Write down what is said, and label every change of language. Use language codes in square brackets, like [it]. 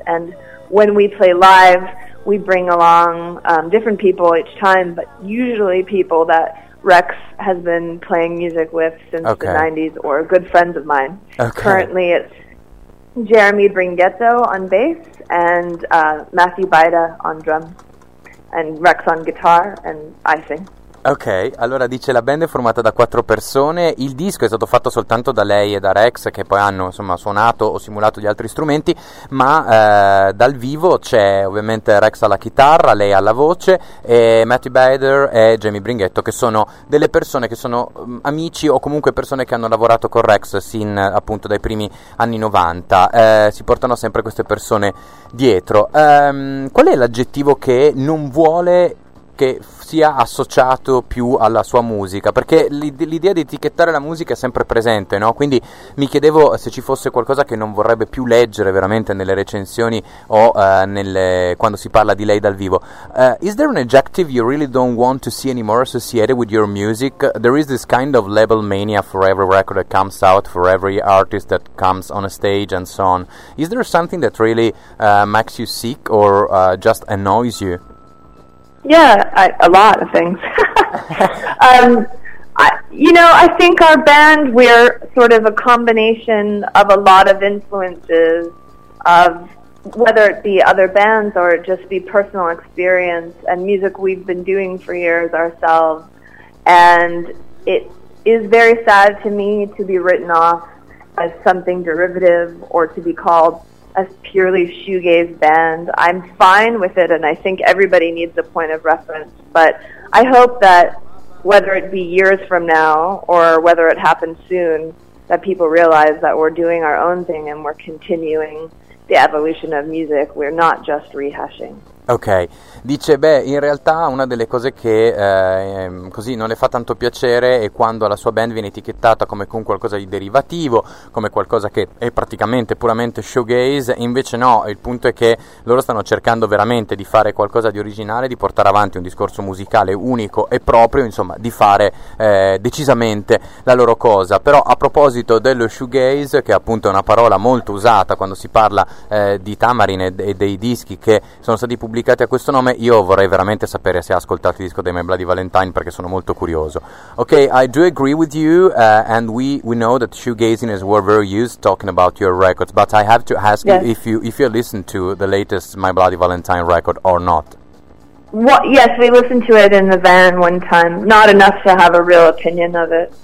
[en] And when we play live, we bring along different people each time, but usually people that Rex has been playing music with since okay. the 90s, or good friends of mine. Okay. Currently it's Jeremy Bringhetto on bass and Matthew Baida on drums, and Rex on guitar, and I sing. [it] Ok, allora dice la band è formata da quattro persone, il disco è stato fatto soltanto da lei e da Rex, che poi hanno insomma suonato o simulato gli altri strumenti, ma dal vivo c'è ovviamente Rex alla chitarra, lei alla voce, e Matthew Bader e Jamie Bringhetto, che sono delle persone che sono amici o comunque persone che hanno lavorato con Rex sin appunto dai primi anni 90, si portano sempre queste persone dietro. Qual è l'aggettivo che non vuole che sia associato più alla sua musica? Perché l'idea di etichettare la musica è sempre presente, no? Quindi mi chiedevo se ci fosse qualcosa che non vorrebbe più leggere veramente nelle recensioni o quando si parla di lei dal vivo. [en] Is there an adjective you really don't want to see anymore associated with your music? There is this kind of label mania for every record that comes out, for every artist that comes on a stage and so on. Is there something that really makes you sick or just annoys you? Yeah, a lot of things. I think our band, we're sort of a combination of a lot of influences, of whether it be other bands or just be personal experience and music we've been doing for years ourselves. And it is very sad to me to be written off as something derivative or to be called a purely shoegaze band. I'm fine with it, and I think everybody needs a point of reference, but I hope that whether it be years from now or whether it happens soon, that people realize that we're doing our own thing and we're continuing the evolution of music. We're not just rehashing. [it] Ok, dice, beh, in realtà una delle cose che così non le fa tanto piacere è quando la sua band viene etichettata come con qualcosa di derivativo, come qualcosa che è praticamente puramente shoegaze, invece no, il punto è che loro stanno cercando veramente di fare qualcosa di originale, di portare avanti un discorso musicale unico e proprio, insomma, di fare decisamente la loro cosa. Però a proposito dello shoegaze, che appunto è una parola molto usata quando si parla di Tamarin e dei dischi che sono stati pubblicati a questo nome, io vorrei veramente sapere se ha ascoltato il disco dei My Bloody Valentine, perché sono molto curioso. [en] Ok, I do agree with you, and we know that shoegazing is were very used talking about your records, but I have to ask yes. you if you listen to the latest My Bloody Valentine record or not. Yes, we listened to it in the van one time, not enough to have a real opinion of it.